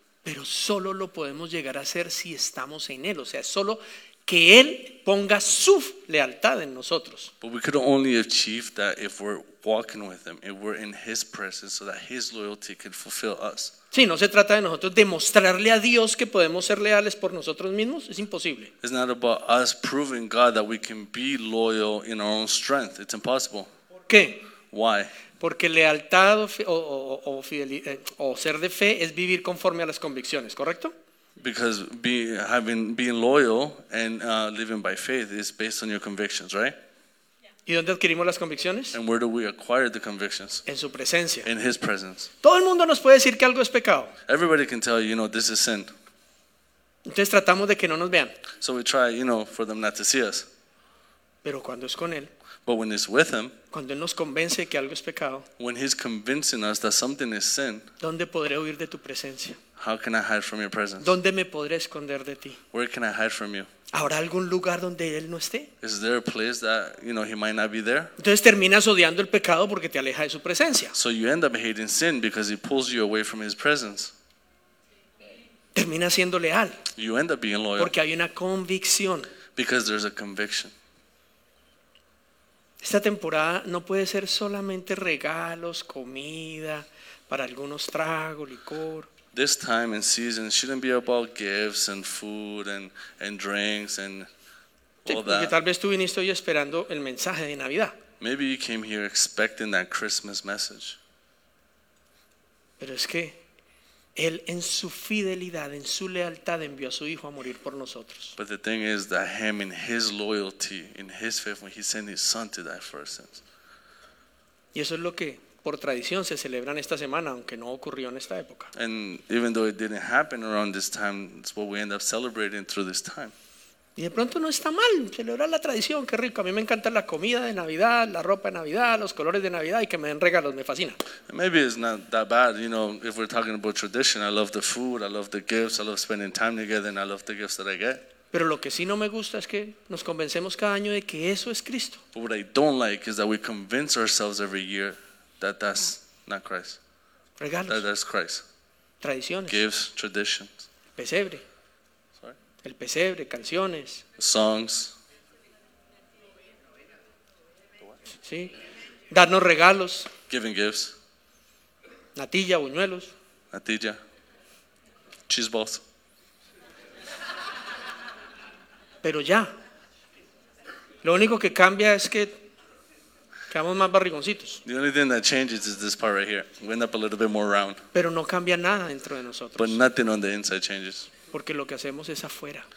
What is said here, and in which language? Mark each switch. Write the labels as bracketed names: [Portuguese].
[Spanish] Pero solo lo podemos llegar a ser si estamos en Él. O sea, solo que Él ponga su lealtad en nosotros. [English] But we could only achieve that if we're walking with Him, if we're in His presence, so that His loyalty can fulfill us. [Spanish] Sí, no se trata de nosotros demostrarle a Dios que podemos ser leales por nosotros mismos, es imposible. [English] It's not about us proving God that we can be loyal in our own strength. It's impossible. [Spanish] ¿Por qué? [English] Why? [Spanish] Porque lealtad o ser de fe es vivir conforme a las convicciones, ¿correcto? [English] Because being loyal and living by faith is based on your convictions, right? [Spanish] ¿Y dónde adquirimos las convicciones? [English] And where do we acquire the convictions? [Spanish] En su presencia. [English] In His presence. [Spanish] Todo el mundo nos puede decir que algo es pecado. [English] Everybody can tell you, you know, this is sin. [Spanish] Entonces tratamos de que no nos vean. [English] So we try, you know, for them not to see us. [Spanish] Pero cuando es con Él. [English] But when it's with Him. [Spanish] Cuando Él nos convence que algo es pecado. [English] When He's convincing us that something is sin. [Spanish] ¿Dónde podré huir de tu presencia? [English] How can I hide from your presence? [Spanish] ¿Dónde me podré esconder de ti? [English] Where can I hide from you? [Spanish] ¿Habrá algún lugar donde Él no esté? [English] Is there a place that, you know, He might not be there? [Spanish] Entonces terminas odiando el pecado porque te aleja de su presencia. [English] So you end up hating sin because He pulls you away from His presence. [Spanish] Terminas siendo leal. [English] You end up being loyal. [Spanish] Porque hay una convicción. [English] Because there's a conviction. [Spanish] Esta temporada no puede ser solamente regalos, comida, para algunos tragos, licor. [English] This time and season shouldn't be about gifts and food and drinks and all that. [Spanish] Tal vez tú viniste hoy esperando el mensaje de Navidad. [English] Maybe you came here expecting that Christmas message. [Spanish] Pero es que Él en su fidelidad, en su lealtad, envió a su Hijo a morir por nosotros. [English] But the thing is that Him in His loyalty, in His faith, when He sent His Son to die for our sins. [Spanish] Y eso es lo que por tradición se celebran esta semana, aunque no ocurrió en esta época. [English] And even though it didn't happen around this time, it's what we end up celebrating through this time. [Spanish] Y de pronto no está mal celebrar la tradición, qué rico. A mí me encanta la comida de Navidad, la ropa de Navidad, los colores de Navidad y que me den regalos, me fascina. [English] Maybe it's not that bad, you know, if we're talking about tradition. I love the food, I love the gifts, I love spending time together, and I love the gifts that I get. [Spanish] Pero lo que sí no me gusta es que nos convencemos cada año de que eso es Cristo. [English] But what I don't like is that we convince ourselves every year that that's not Christ. [Spanish] Regalos. [English] That's Christ. [Spanish] Tradiciones. [English] Gifts, traditions. [Spanish] Pesebre. [English] Sorry. [Spanish] El pesebre, canciones. [English] Songs. [Spanish] Sí. Darnos regalos. [English] Giving gifts. [Spanish] Natilla, buñuelos. [English] Natilla. Cheese balls. [Spanish] Pero ya. Lo único que cambia es que quedamos más barrigoncitos. [English] The only thing that changes is this part right here. We end up a little bit more round. [Spanish] Pero no cambia nada dentro de nosotros. [English] But nothing on the inside changes. [Spanish] Porque lo que hacemos es afuera.